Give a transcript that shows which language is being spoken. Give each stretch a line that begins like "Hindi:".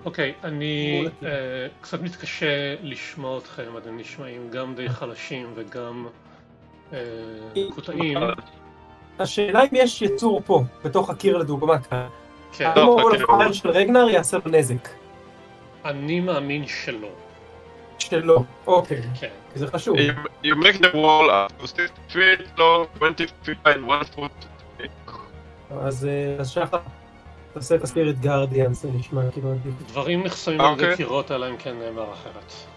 Hebrew: אוקיי, אני קצת מתקשה לשמוע אתכם, אתם נשמעים גם די חלשים וגם קוטעים. השאלה אם יש יצור פה, בתוך הקיר לדוגמה כאן. האם הוא לפער של רגנר יעשה לו נזק? אני מאמין שלא. שלא, אוקיי. כן. זה חשוב.
English: You make the wall up, 6 feet long, 20 feet and 1 foot.
Hebrew: אז שחר, תעשה את הספירט גארדיאן, זה נשמע כאילו... דברים נחסמים על קירות, אלא אם כן נאמר אחרת.